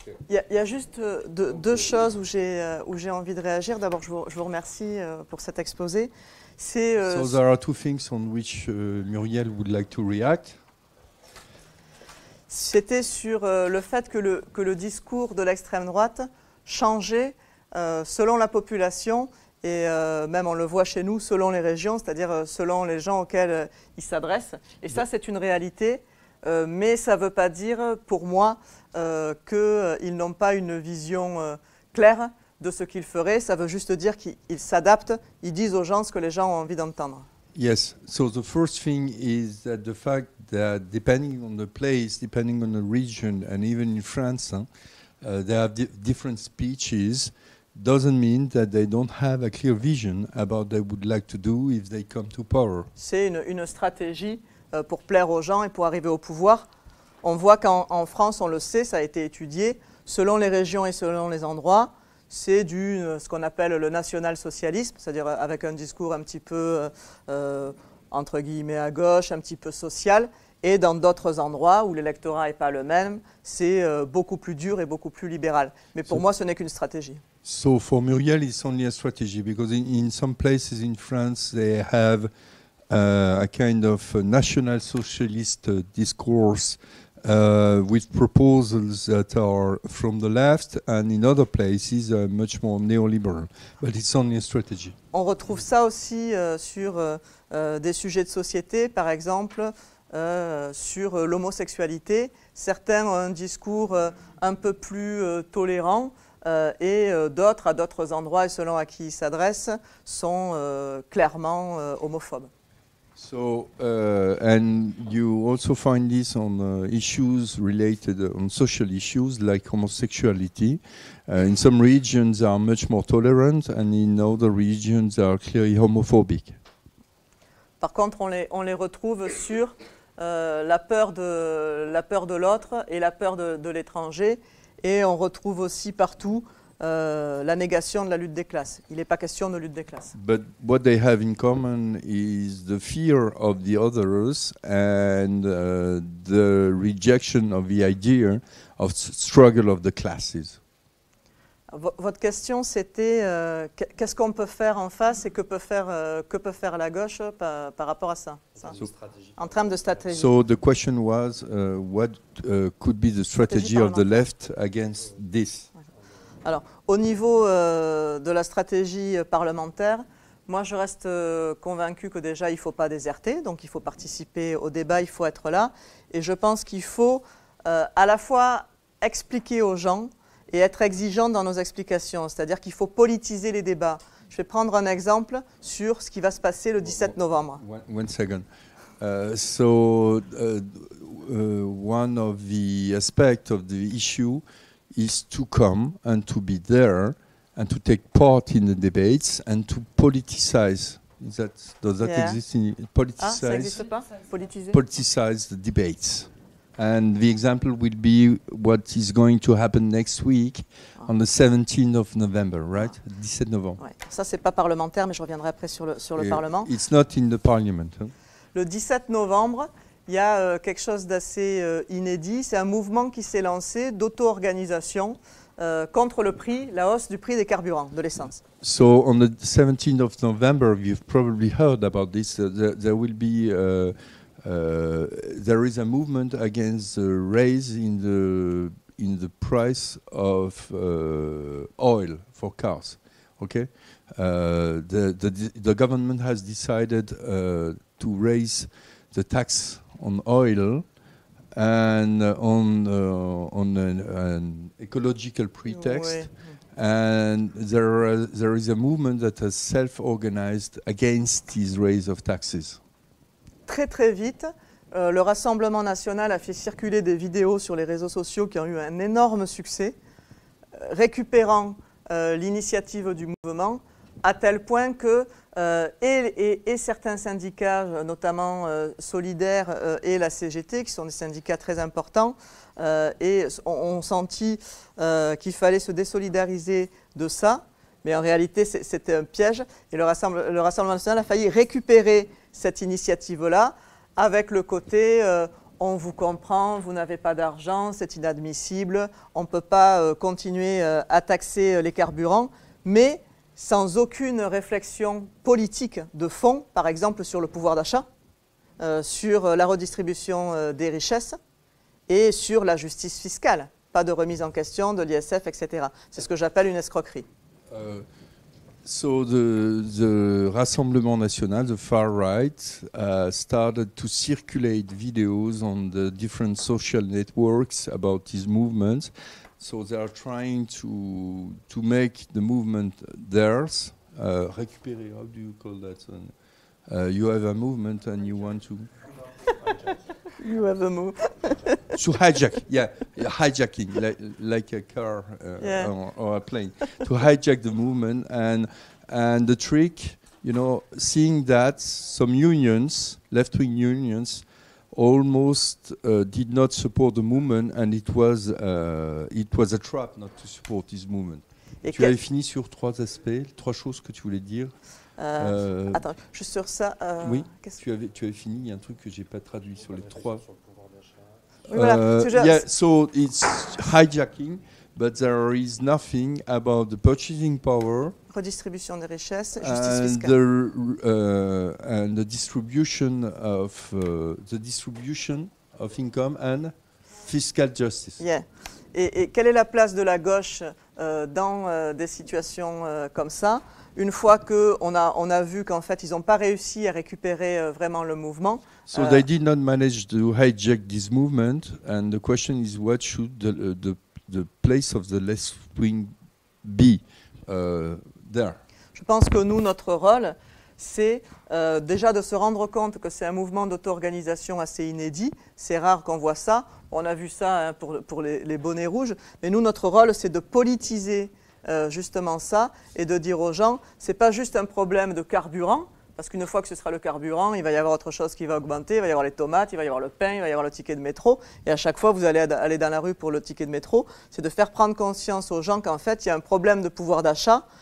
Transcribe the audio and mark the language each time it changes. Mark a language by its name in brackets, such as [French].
[French] Il y a juste deux choses où j'ai envie de réagir. D'abord, je vous remercie pour cet exposé. C'est, [English] so there are two things on which Muriel would like to react. [French] C'était sur le fait que le discours de l'extrême droite changeait selon la population et même on le voit chez nous selon les régions, c'est-à-dire selon les gens auxquels ils s'adressent. Et ça, c'est une réalité. Mais ça ne veut pas dire, pour moi, qu'ils n'ont pas une vision claire de ce qu'ils feraient. Ça veut juste dire qu'ils s'adaptent, ils disent aux gens ce que les gens ont envie d'entendre. [English] Yes. So the first thing is that the fact that depending on the place, depending on the region, and even in France, they have different speeches, doesn't mean that they don't have a clear vision about what they would like to do if they come to power. [French] C'est une stratégie pour plaire aux gens et pour arriver au pouvoir. On voit qu'en France, on le sait, ça a été étudié, selon les régions et selon les endroits, c'est du ce qu'on appelle le national-socialisme, c'est-à-dire avec un discours un petit peu, entre guillemets, à gauche, un petit peu social, et dans d'autres endroits où l'électorat n'est pas le même, c'est beaucoup plus dur et beaucoup plus libéral. Mais pour moi, ce n'est qu'une stratégie. [English] So for Muriel, it's only a strategy, because in some places in France, they have... a kind of national socialist discourse with proposals that are from the left and in other places are much more neoliberal. But it's only a strategy. [French] On retrouve ça aussi sur des sujets de société, par exemple sur l'homosexualité. Certains ont un discours un peu plus tolérant et d'autres, à d'autres endroits et selon à qui ils s'adressent, sont clairement homophobes. [English] So, and you also find this on issues related on social issues like homosexuality. In some regions are much more tolerant, and in other regions are clearly homophobic. [French] Par contre, on les retrouve sur la peur de l'autre et la peur de l'étranger, et on retrouve aussi partout la négation de la lutte des classes. Il n'est pas question de lutte des classes. [English] But what they have in common is the fear of the others and the rejection of the idea of struggle of the classes. [French] Votre question, c'était qu'est-ce qu'on peut faire en face et que peut faire la gauche par rapport à ça, en termes de stratégie. [English] So the question was what could be the strategy of the left against this. [French] Alors, au niveau de la stratégie parlementaire, moi je reste convaincue que déjà il ne faut pas déserter, donc il faut participer au débat, il faut être là, et je pense qu'il faut à la fois expliquer aux gens et être exigeant dans nos explications, c'est-à-dire qu'il faut politiser les débats. Je vais prendre un exemple sur ce qui va se passer le 17 novembre. [English] One second. One of the aspects of the issue is to come and to be there and to take part in the debates and to politicize. Does that exist? Politicize the debates. And the example will be what is going to happen next week on the 17th of November, right? [French] 17 novembre. Ouais. Ça, c'est pas parlementaire, mais je reviendrai après sur le Parlement. [English] It's not in the Parliament. Huh? [French] Le 17 novembre, il y a quelque chose d'assez inédit. C'est un mouvement qui s'est lancé d'auto-organisation contre la hausse du prix des carburants, de l'essence. [English] So on the 17th of November, you've probably heard about this. There will be there is a movement against the raise in the price of oil for cars. Okay, the government has decided to raise the tax on oil and on an ecological pretext. [French] Oui. [English] And there is a movement that has self-organized against this raise of taxes. [French] Très très vite, le Rassemblement National a fait circuler des vidéos sur les réseaux sociaux qui ont eu un énorme succès, récupérant l'initiative du mouvement, à tel point que et certains syndicats, notamment Solidaires et la CGT, qui sont des syndicats très importants, ont senti qu'il fallait se désolidariser de ça, mais en réalité c'était un piège, et le Rassemblement National a failli récupérer cette initiative-là, avec le côté « on vous comprend, vous n'avez pas d'argent, c'est inadmissible, on ne peut pas continuer à taxer les carburants », mais sans aucune réflexion politique de fond, par exemple sur le pouvoir d'achat, sur la redistribution des richesses et sur la justice fiscale. Pas de remise en question de l'ISF, etc. C'est ce que j'appelle une escroquerie. [English] So the Rassemblement National, the far right, started to circulate videos on the different social networks about this movement. So they are trying to make the movement theirs. Recupere, how do you call that? You have a movement and you want to... You have a move. To hijack, yeah, hijacking, like a car or a plane. To hijack the movement and the trick, you know, seeing that some unions, left-wing unions, almost did not support the movement, and it was a trap not to support this movement. [French] Et tu avais fini sur trois aspects, trois choses que tu voulais dire. Attends, juste sur ça. Oui, tu avais fini, il y a un truc que je n'ai pas traduit sur les trois. Voilà, c'est juste. [English] Yeah, so it's hijacking, but there is nothing about the purchasing power. [French] Redistribution des richesses, [English] justice and [French] fiscale. [English] And the distribution of income and fiscal justice. Yeah. [French] Et quelle est la place de la gauche dans des situations comme ça? Une fois qu'on a vu qu'en fait, ils n'ont pas réussi à récupérer vraiment le mouvement. [English] So they did not manage to hijack this movement. And the question is, what should the place of the left wing be there? [French] Je pense que nous, notre rôle, c'est déjà de se rendre compte que c'est un mouvement d'auto-organisation assez inédit. C'est rare qu'on voit ça. On a vu ça hein, pour les bonnets rouges. Mais nous, notre rôle, c'est de politiser justement ça et de dire aux gens, c'est pas juste un problème de carburant, parce qu'une fois que ce sera le carburant, il va y avoir autre chose qui va augmenter, il va y avoir les tomates, il va y avoir le pain, il va y avoir le ticket de métro, et à chaque fois, vous allez aller dans la rue pour le ticket de métro, c'est de faire prendre conscience aux gens qu'en fait, il y a un problème de pouvoir d'achat,